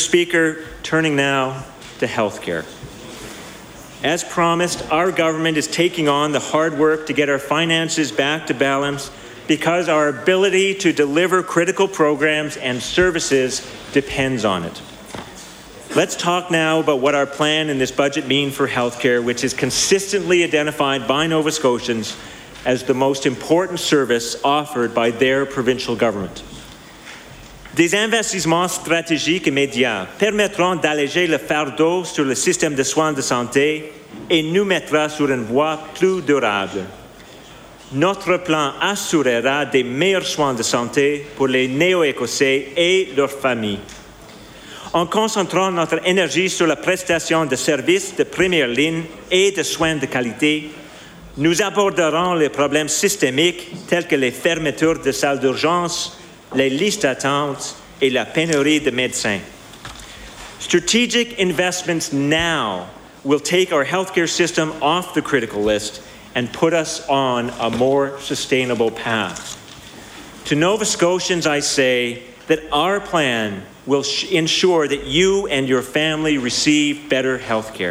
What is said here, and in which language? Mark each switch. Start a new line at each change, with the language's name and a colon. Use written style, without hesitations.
English: Speaker, turning now to health care. As promised, our government is taking on the hard work to get our finances back to balance because our ability to deliver critical programs and services depends on it. Let's talk now about what our plan and this budget mean for healthcare, which is consistently identified by Nova Scotians as the most important service offered by their provincial government.
French: Des investissements stratégiques immédiats permettront d'alléger le fardeau sur le système de soins de santé et nous mettra sur une voie plus durable. Notre plan assurera des meilleurs soins de santé pour les Néo-Écossais et leurs familles. En concentrant notre énergie sur la prestation de services de première ligne et de soins de qualité, nous aborderons les problèmes systémiques tels que les fermetures de salles d'urgence, les listes d'attente et la pénurie de médecins.
English: Strategic investments now will take our healthcare system off the critical list and put us on a more sustainable path. To Nova Scotians, I say that our plan will ensure that you and your family receive better health care.